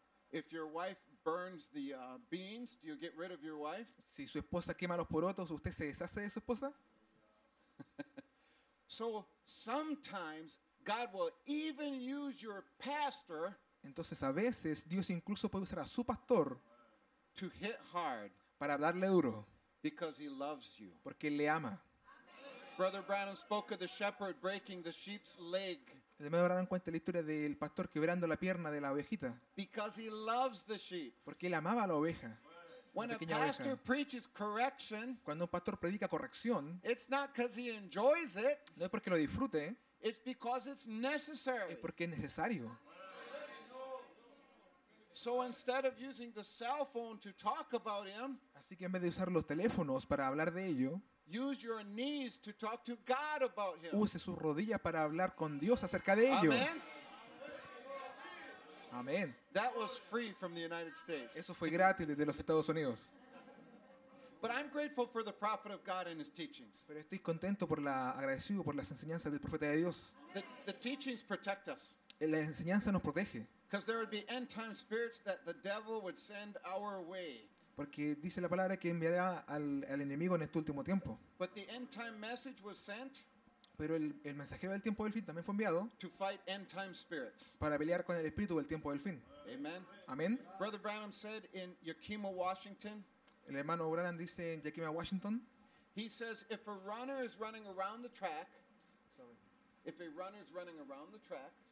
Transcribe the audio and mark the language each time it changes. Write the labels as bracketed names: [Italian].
[English] If your wife burns the beans, do you get rid of your wife? [Spanish] Si su esposa quema los porotos, ¿usted se deshace de su esposa? [English] So sometimes God will even use your pastor. [Spanish] Entonces a veces Dios incluso puede usar a su pastor [English] to hit hard. [Spanish] Para darle duro. [English] Because he loves you. [Spanish] Porque le ama. [English] Brother Branham spoke of the shepherd breaking the sheep's leg. [Spanish] Cuenta la historia del pastor quebrando la pierna de la ovejita. [English] Because he loves the sheep. [Spanish] Porque él amaba a la oveja. [English] When a pastor preaches correction, [Spanish] cuando un pastor predica corrección, [English] it's not because he enjoys it. [Spanish] No es porque lo disfrute. [English] It's because it's necessary. [Spanish] Es porque es necesario. [English] So instead of using the cell phone to talk about him, [Spanish] así que en vez de usar los teléfonos para hablar de ello, [English] use your knees to talk to God about him. [Spanish] Use sus rodillas para hablar con Dios acerca de ello. Amen. Amen. [English] That was free from the United States. [Spanish] Eso fue gratis desde los Estados Unidos. [English] But I'm grateful for the prophet of God and his teachings. [Spanish] Pero estoy contento por agradecido por las enseñanzas del profeta de Dios. [English] The teachings protect us. [Spanish] La enseñanza nos protege. [English] Because there would be end time spirits that the devil would send our way. [Spanish] Porque dice la palabra que enviará al enemigo en este último tiempo. [English] But the end time message was sent. [Spanish] Pero el mensajero del tiempo del fin también fue enviado. [English] To fight end time spirits. [Spanish] Para pelear con el espíritu del tiempo del fin. Amen. Amen. [English] Brother Branham said in Yakima, Washington. [Spanish] El hermano Branham dice en Yakima, Washington. [English] He says if a runner is running around the track. Sorry. If a runner is running around the track.